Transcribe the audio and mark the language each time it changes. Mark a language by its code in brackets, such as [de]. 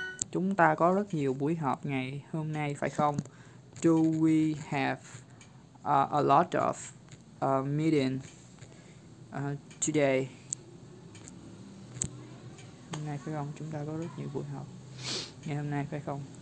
[vi] Chúng ta có rất nhiều buổi họp ngày hôm nay phải không? [en] Do we have a lot of meetings today? [vi] Hôm nay phải không? Chúng ta có rất nhiều buổi họp ngày hôm nay phải không?